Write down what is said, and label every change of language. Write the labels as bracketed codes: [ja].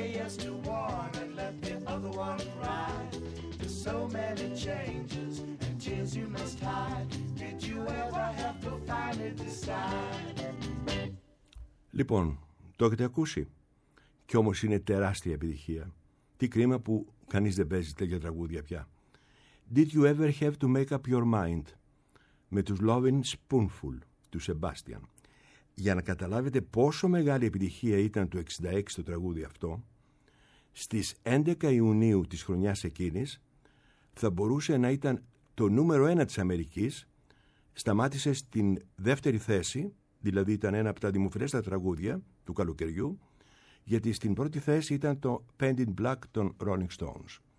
[en] eyes to warn and let the other one cry. There's so many changes and tears you must hide. Did you ever have to finally decide? [el] Λοιπόν, το έχετε ακούσει. Κι όμως είναι τεράστια επιτυχία. Τι κρίμα που κανείς δεν παίζει τέτοια τραγούδια πια. [en] Did you ever have to make up your mind? [el] Με τους Loving Spoonful του Sebastian. Για να καταλάβετε πόσο μεγάλη επιτυχία ήταν το 66 το τραγούδι αυτό, στις 11 Ιουνίου της χρονιάς εκείνης θα μπορούσε να ήταν το νούμερο 1 της Αμερικής, σταμάτησε στην δεύτερη θέση, δηλαδή ήταν ένα από τα δημοφιλέστερα τραγούδια του καλοκαιριού, γιατί στην πρώτη θέση ήταν το Painted in Black των Rolling Stones.